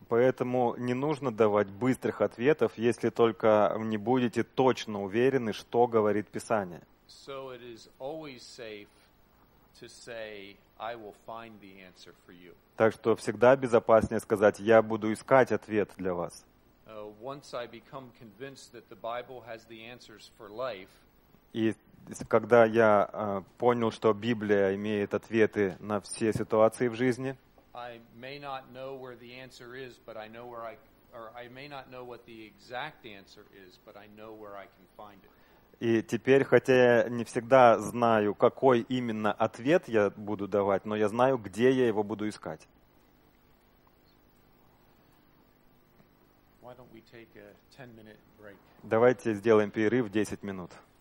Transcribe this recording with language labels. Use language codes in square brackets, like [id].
[ru] Поэтому не нужно давать быстрых ответов, если только не будете точно уверены, что говорит Писание. [en] So it is always safe to say, I will find the answer for you. [ru] Так что всегда безопаснее сказать, я буду искать ответ для вас. [en] Once I become convinced that the Bible has the answers for life, [ru] и когда я понял, что Библия имеет ответы на все ситуации в жизни, [en] I may not know where the answer is, but I know where I, or I may not know what the exact answer is, but I know where I can find it. [ru] И теперь, хотя я не всегда знаю, какой именно ответ я буду давать, но я знаю, где я его буду искать. [en] Why don't we take a 10-minute break? [ru] Давайте сделаем перерыв 10 минут.